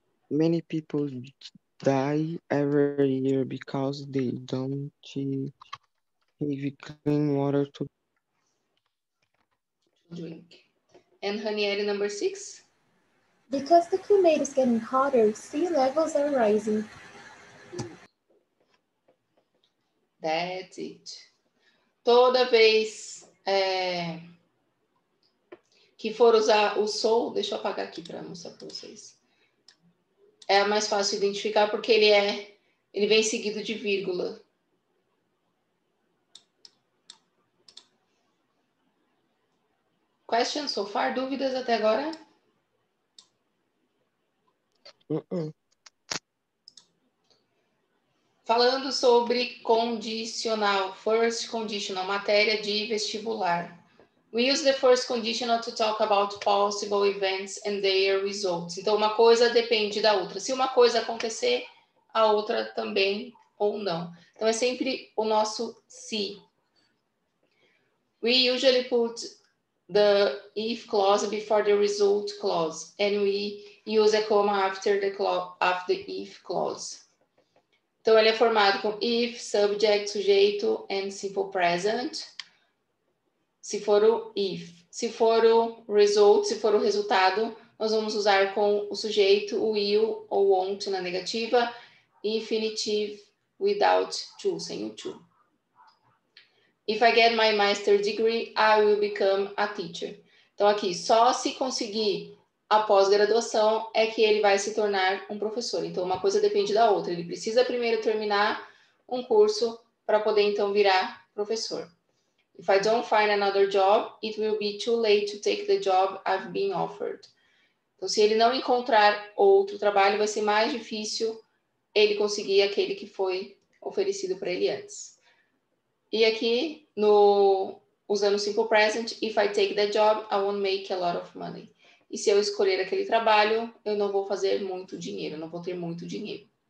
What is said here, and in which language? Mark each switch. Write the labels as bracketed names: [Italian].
[English] Many people die every year because they don't have clean water to drink. And Hanieri, number six. Because the climate is getting hotter, sea levels are rising. That's it. [Portuguese] Toda vez que for usar o sol, deixa eu apagar aqui para mostrar para vocês. É mais fácil identificar porque ele vem seguido de vírgula. [English] Questions so far? [Portuguese] Dúvidas até agora? Falando sobre condicional, [English] first conditional, [Portuguese] matéria de vestibular. [English] We use the first conditional to talk about possible events and their results. [Portuguese] Então, uma coisa depende da outra. Se uma coisa acontecer, a outra também ou não. Então, é sempre o nosso se. [English] We usually put the if clause before the result clause. And we use a comma after the if clause. [Portuguese] Então, ele é formado com if, subject, sujeito, [English] and simple present. [Portuguese] Se for o if, se for o result, se for o resultado, nós vamos usar com o sujeito, o will ou won't na negativa, [English] infinitive without to, [Portuguese] sem o to. [English] If I get my master's degree, I will become a teacher. [Portuguese] Então aqui, só se conseguir a pós-graduação é que ele vai se tornar um professor. Então uma coisa depende da outra, ele precisa primeiro terminar um curso para poder então virar professor. [English] If I don't find another job, it will be too late to take the job I've been offered. [Portuguese] Então, se ele não encontrar outro trabalho, vai ser mais difícil ele conseguir aquele que foi oferecido para ele antes. E aqui, usando o [English] simple present, if I take that job, I won't make a lot of money. [Portuguese] E se eu escolher aquele trabalho, eu não vou fazer muito dinheiro, não vou ter muito dinheiro.